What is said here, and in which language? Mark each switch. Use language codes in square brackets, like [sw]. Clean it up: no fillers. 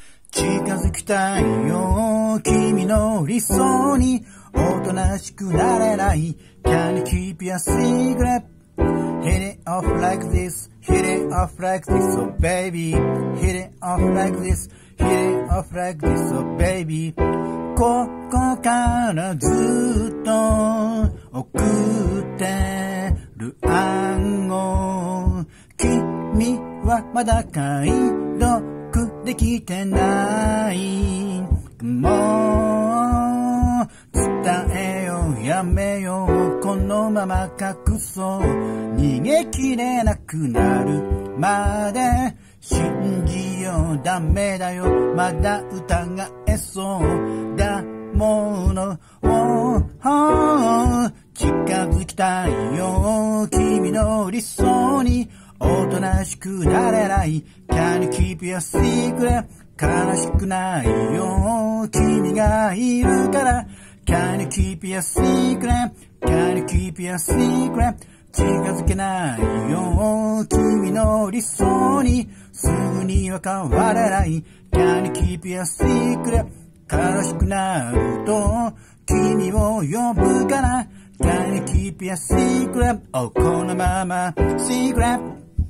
[ja] 近づきたいよ君の理想に。おとなしくなれない、 [en] Can you keep your secret? Hit it off like this, hit it off like this, oh baby. Hit it off like this, hit it off like this, oh baby. [ja] ここからずっと送ってる暗号、君はまだ解読できてない。もう伝えよう、やめよう、このまま隠そう、逃げ切れなくなるまで信じよう。ダメだよ、まだ疑えそうだもの。 oh, oh, oh, 近づきたいよ君の理想に。おとなしくなれない、 [en] Can you keep your secret? [ja] 悲しくないよ君がいるから。 [en] Can you keep your secret? Can you keep your secret? [ja] 近づけないよ君の理想に。すぐには変われない、 [en] Can you keep your secret? [ja] 悲しくなると君を呼ぶから。 [en] Can you keep your secret? Oh, [ja] このまま [en] secret